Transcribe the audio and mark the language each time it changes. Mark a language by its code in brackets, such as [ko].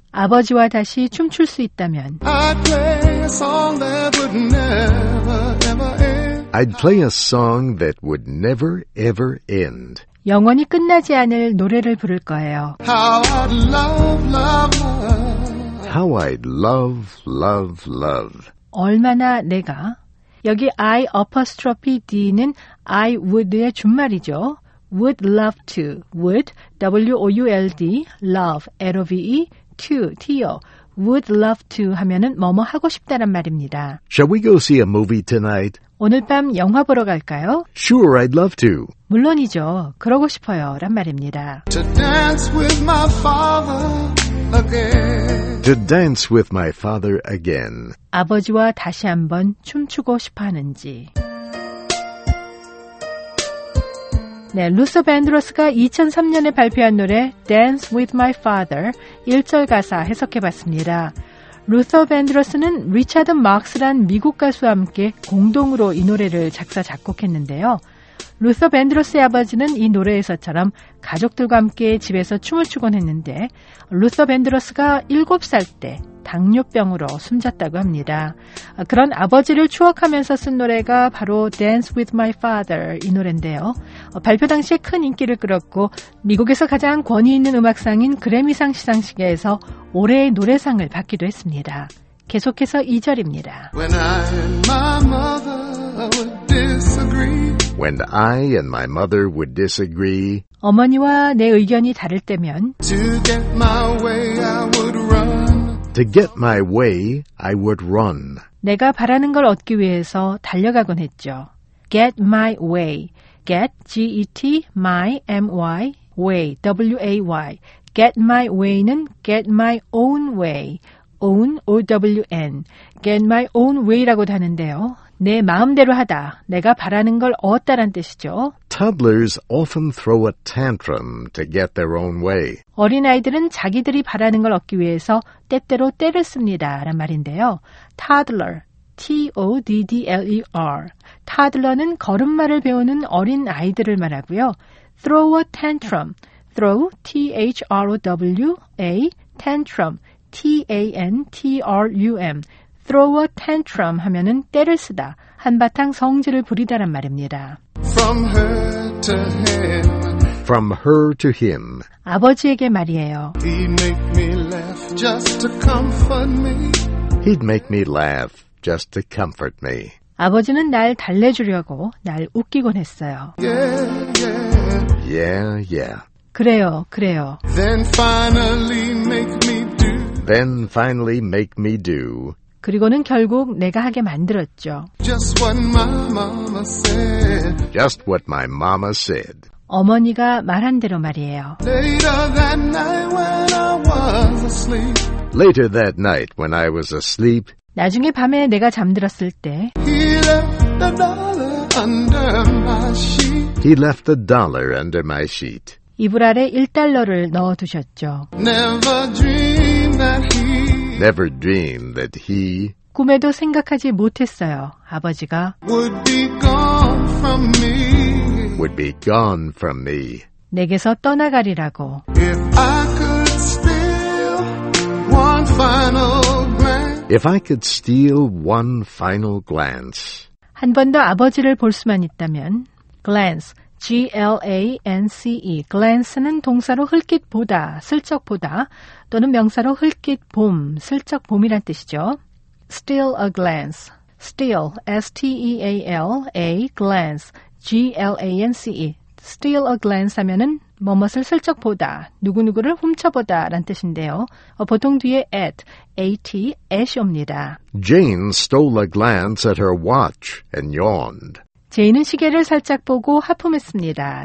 [ko] 아버지와 다시 춤출 수 있다면 [en] I'd play a song that would never ever end. I'd play a song that would never ever end. [ko] 영원히 끝나지 않을 노래를 부를 거예요. [en] How I'd love, love, love. How I'd love, love, love. [ko] 얼마나 내가. 여기 I apostrophe D는 I would의 준말이죠. [en] Would love to. Would, W-O-U-L-D, love, L-O-V-E, to, T-O. Would love to [ko] 하면은 뭐뭐 하고 싶다란 말입니다. [en] Shall we go see a movie tonight? [ko] 오늘 밤 영화 보러 갈까요? [en] Sure, I'd love to. [ko] 물론이죠. 그러고 싶어요. 란 말입니다. [en] To dance with my father again. To dance with my father again. [ko] 아버지와 다시 한번 춤추고 싶어 하는지. 네, 루서 밴드로스가 2003년에 발표한 노래 Dance with my father 1절 가사 해석해봤습니다. 루서 밴드로스는 리차드 마크스란 미국 가수와 함께 공동으로 이 노래를 작사 작곡했는데요. 루서 밴드로스의 아버지는 이 노래에서처럼 가족들과 함께 집에서 춤을 추곤 했는데 루서 밴드로스가 7살 때 당뇨병으로 숨졌다고 합니다. 그런 아버지를 추억하면서 쓴 노래가 바로 Dance with my father 이 노래인데요. 발표 당시에 큰 인기를 끌었고 미국에서 가장 권위 있는 음악상인 그래미상 시상식에서 올해의 노래상을 받기도 했습니다. 계속해서 2절입니다. [en] When I and my mother would disagree. When I and my mother would disagree. [ko] 어머니와 내 의견이 다를 때면 [en] To get my way I would run. To get my way, I would run. [ko] 내가 바라는 걸 얻기 위해서 달려가곤 했죠. [en] Get my way. Get, G-E-T, my, M-Y, way, W-A-Y. Get my way는 get my own way. Own, O-W-N. Get my own way [ko] 라고도 하는데요. 내 마음대로 하다, 내가 바라는 걸 얻다란 뜻이죠. [en] Toddlers often throw a tantrum to get their own way. [ko] 어린아이들은 자기들이 바라는 걸 얻기 위해서 때때로 때를 씁니다. 라는 말인데요. Toddler, T-O-D-D-L-E-R. Toddler는 걸음마를 배우는 어린아이들을 말하고요. [en] Throw a tantrum. Throw, T-H-R-O-W, A, tantrum, T-A-N-T-R-U-M. Throw a tantrum [ko] 하면은 때를 쓰다, 한바탕 성질을 부리다란 말입니다. [en] From her to him. From her to him. [ko] 아버지에게 말이에요. [en] He'd make me laugh just to comfort me. He'd make me laugh just to comfort me. [ko] 아버지는 날 달래주려고 날 웃기곤 했어요. [en] Yeah, yeah. Yeah, yeah. [ko] 그래요, 그래요. [en] Then finally make me do. Then finally make me do. [ko] 그리고는 결국 내가 하게 만들었죠. [en] Just what my mama said. Just what my mama said. [ko] 어머니가 말한 대로 말이에요. [en] Later that night when I was asleep. Later that night when I was asleep. [ko] 나중에 밤에 내가 잠들었을 때 [en] He left the dollar under my sheet. He left the dollar under my sheet. [ko] 이불 아래 1달러를 넣어 두셨죠. [en] Never dream that he Never dreamed that he [ko] 꿈에도 생각하지 못했어요. 아버지가 [en] would be gone from me would be gone from me [ko] 내게서 떠나가리라고 [en] If I could steal one final glance If I could steal one final glance [ko] 한 번 더 아버지를 볼 수만 있다면 glance G-L-A-N-C-E. Glance는 동사로 흘낏 보다, 슬쩍 보다, 또는 명사로 흘낏 봄, 슬쩍 봄이란 뜻이죠. [en] Steal a glance. Steal, S-T-E-A-L, A, glance, G-L-A-N-C-E. Steal a glance [ko] 하면은 뭐뭇을 슬쩍 보다, 누구누구를 훔쳐보다 란 뜻인데요. 보통 뒤에 at, A-T, at이 옵니다. [en] Jane stole a glance at her watch and yawned. [ko] 제인은 시계를 살짝 보고 하품했습니다.